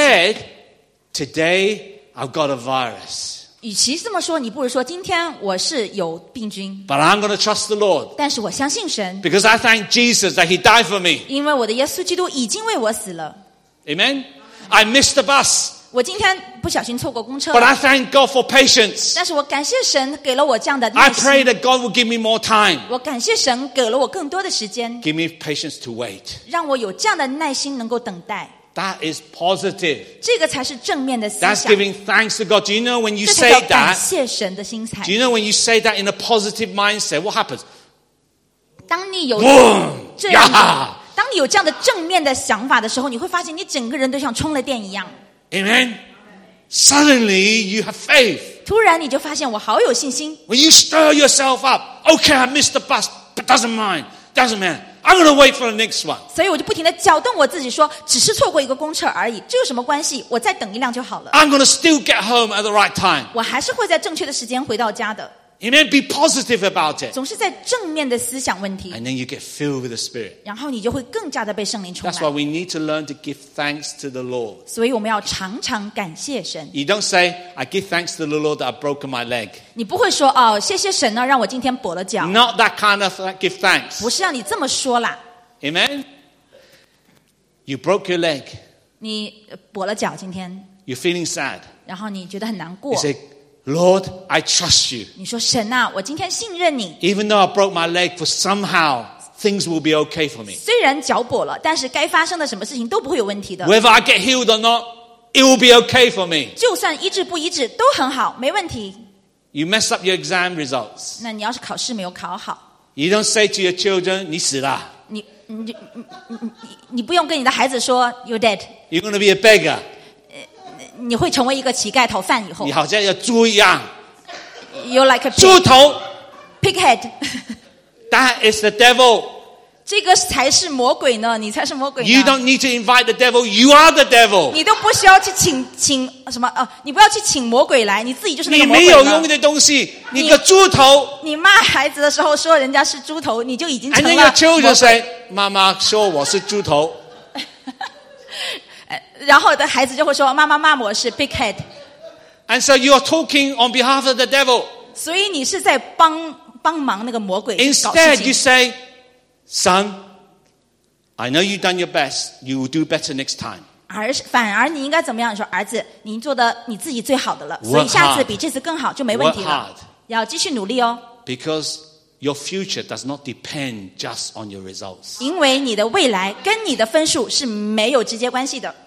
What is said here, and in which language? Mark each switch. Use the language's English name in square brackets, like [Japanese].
[English] Instead, today I've got a virus. [Chinese] 与其这么说，你不如说今天我是有病菌。 [English] But I'm going to trust the Lord. [Chinese] 但是我相信神。 [English] Because I thank Jesus that He died for me. [Chinese] 因为我的耶稣基督已经为我死了。 [English] Amen. I missed the bus. [Chinese] 我今天不小心错过公车。 [English] But I thank God for patience. [Chinese] 但是我感谢神给了我这样的耐心。 [English] I pray that God will give me more time. [Chinese] 我感谢神给了我更多的时间。 [English] Give me patience to wait. [Chinese] 让我有这样的耐心能够等待。 [English] That is positive. [Chinese] 这个才是正面的思想。 [English] That's giving thanks to God. Do you know when you say that? [Chinese] 这才叫感谢神的心态。 [English] Do you know when you say that in a positive mindset, what happens? [Chinese] 当你有 [English] Boom! [Chinese] 这样的、 [English] yeah! [Chinese] 当你有这样的正面的想法的时候，你会发现你整个人都像充了电一样。 [English] Amen. Suddenly you have faith. [Chinese] 突然你就发现我好有信心。 [English] When you stir yourself up, okay, I missed the bus, but doesn't mind, doesn't matter. I'm going to wait for the next one. [Chinese] 所以我就不停地搅动我自己说，只是错过一个公车而已，这有什么关系？我再等一辆就好了。 [English] I'm going to still get home at the right time. [Chinese] 我还是会在正确的时间回到家的。 [English] Amen. Be positive about it. [Chinese] 总是在正面的思想问题。 [English] And then you get filled with the Spirit. [Chinese] 然后你就会更加的被圣灵充满。 [English] That's why we need to learn to give thanks to the Lord. [Chinese] 所以我们要常常感谢神。 [English] You don't say, I give thanks to the Lord that I've broken my leg. [Chinese] 你不会说哦，谢谢神呢，让我今天跛了脚。 [English] Not that kind of give thanks. [Chinese] 不是让你这么说啦。 [English] Amen. You broke your leg. [Chinese] 你跛了脚今天。 [English] You're feeling sad. [Chinese] 然后你觉得很难过。 [English] You say,Lord, I trust you. [Chinese] 你说神啊，我今天信任你。 [English] Even though I broke my leg, for somehow things will be okay for me. [Chinese] 虽然脚跛了，但是该发生的什么事情都不会有问题的。 [English] Whether I get healed or not, it will be okay for me. [Chinese] 就算医治不医治都很好，没问题。 [English] You mess up your exam results. [Chinese] 那你要是考试没有考好。 [English] You don't say to your children, [Chinese] 你死了。你不用跟你的孩子说 [English] you're dead. You're going to be a beggar. [Chinese] 你会成为一个乞丐讨饭以后你好像要猪一样 [English] You're like a pig [Chinese] 猪头 [English] Pig head That is the devil [Chinese] 这个才是魔鬼呢你才是魔鬼呢 [English] You don't need to invite the devil You are the devil [Chinese] 你都不需要去请什么、你不要去请魔鬼来你自己就是那个魔鬼你没有用的东西你个猪头你骂孩子的时候说人家是猪头你就已经成了魔鬼 [English] And then your children say [Chinese] 妈妈说我是猪头然后的孩子就会说妈妈骂我是 [English] big head And so you are talking on behalf of the devil [Chinese] 所以你是在 帮忙那个魔鬼 [English] Instead you say Son I know you've done your best You will do better next time [Chinese] 反而你应该怎么样说儿子你做的你自己最好的了所以下次比这次更好就没问题了 [English] Work hard [Chinese] 要继续努力哦 [English] Because your future does not depend just on your results [Chinese] 因为你的未来跟你的分数是没有直接关系的